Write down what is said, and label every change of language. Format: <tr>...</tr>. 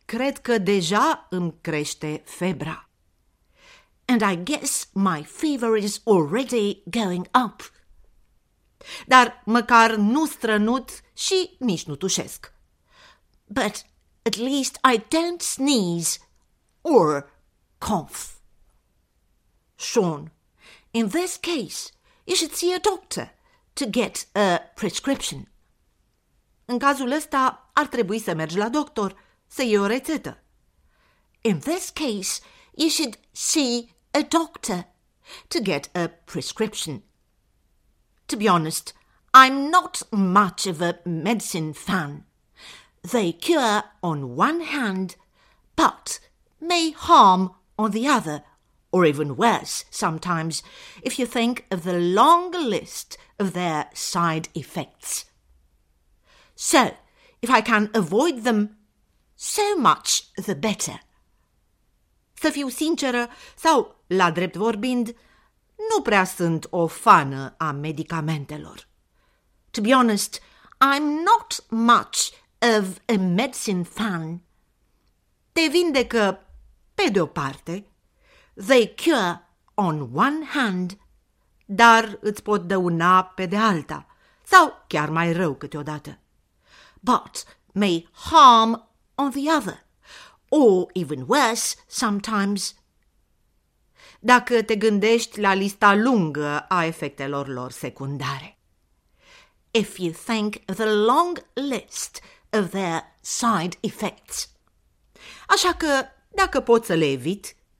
<ro>Cred că deja îmi crește febra.</ro> <en>And I guess my fever is already going up.</en> <ro>Dar măcar nu strănut și nici nu tușesc.</ro> <en>But at least I don't sneeze or cough. Sean, in this case, you should see a doctor to get a prescription.</en> <ro>În cazul ăsta, ar trebui să mergi la doctor, să iei o rețetă.</ro> <en>In this case, you should see a doctor to get a prescription. To be honest, I'm not much of a medicine fan. They cure on one hand, but may harm on the other, or even worse sometimes, if you think of the long list of their side effects. So, if I can avoid them, so much the better.</en> <ro>Să fiu sinceră, sau la drept vorbind, nu prea sunt o fană a medicamentelor.</ro> <en>To be honest, I'm not much of a medicine fan.</en> <ro>Te vindecă pe de-o parte.</ro> <en>They cure on one hand,</en> <ro>dar îți pot dăuna pe de alta, sau chiar mai rău câteodată.</ro> <en>But may harm on the other, or even worse sometimes.</en> <ro>Dacă te gândești la lista lungă a efectelor lor secundare.</ro> <en>If you think of the long list of their side effects.</en> <ro>Așa că, dacă pot să le evit,</ro>